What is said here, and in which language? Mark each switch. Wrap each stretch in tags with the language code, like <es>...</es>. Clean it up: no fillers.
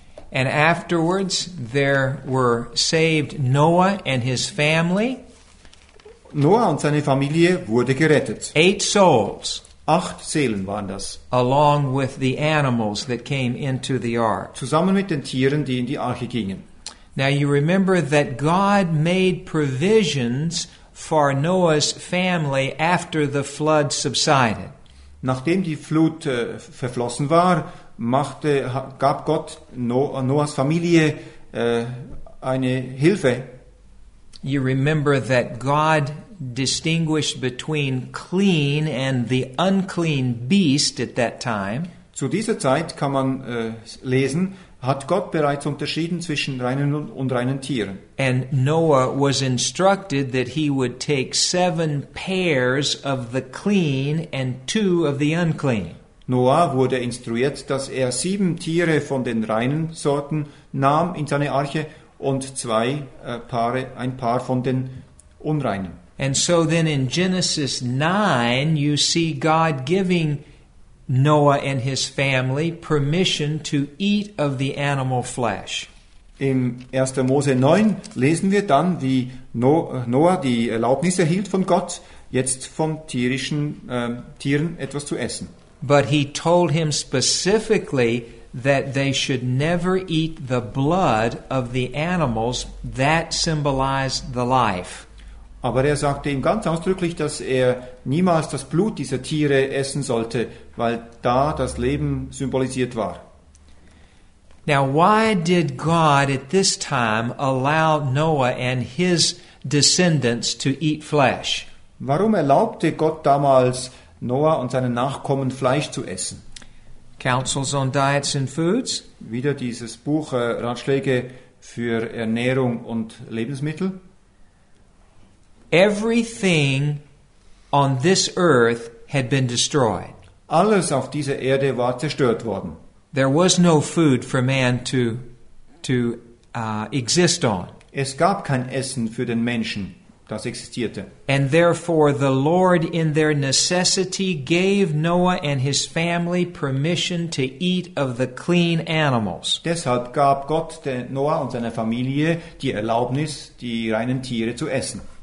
<en>And afterwards, there were saved Noah and his family.</en> <de>Noah und seine Familie wurde gerettet.</de> <en>8 souls.</en> <de>8 Seelen waren das.</de> <en>Along with the animals that came into the ark.</en> <de>Zusammen mit den Tieren, die in die Arche gingen.</de> <en>Now you remember that God made provisions for Noah's family after the flood subsided.</en> <de>Nachdem die Flut verflossen war, gab Gott Noahs Familie eine Hilfe.</de> <en>You remember that God distinguished between clean and the unclean beast at that time.</en> <de>Zu dieser Zeit kann man lesen, hat Gott bereits unterschieden zwischen reinen und unreinen Tieren.</de> <en>And Noah was instructed that he would take 7 pairs of the clean and 2 of the unclean.</en> <de>Noah wurde instruiert, dass er 7 Tiere von den reinen Sorten nahm in seine Arche und 2 Paare, ein Paar von den unreinen.</de> <en>And so then in Genesis 9 you see God giving Noah and his family permission to eat of the animal flesh.</en> <de>Im 1. Mose 9 lesen wir dann, wie Noah die Erlaubnis erhielt von Gott, jetzt von tierischen Tieren etwas zu essen.</de> <en>But he told him specifically that they should never eat the blood of the animals that symbolized the life.</en> <de>Aber er sagte ihm ganz ausdrücklich, dass er niemals das Blut dieser Tiere essen sollte, weil da das Leben symbolisiert war.</de> <en>Now, why did God at this time allow Noah and his descendants to eat flesh?</en> <de>Warum erlaubte Gott damals Noah und seinen Nachkommen Fleisch zu essen?</de> <en>Councils on Diets and Foods.</en> <de>Wieder dieses Buch Ratschläge für Ernährung und Lebensmittel.</de> <en>Everything on this earth had been destroyed.</en> <de>Alles auf dieser Erde war zerstört worden.</de> <en>There was no food for man to exist on.</en> <de>Es gab kein Essen für den Menschen, das existierte.</de> <en>And therefore the Lord in their necessity gave Noah and his family permission to eat of the clean animals.</en> <de>Deshalb gab Gott Noah und seiner Familie die Erlaubnis, die reinen Tiere zu essen.</de>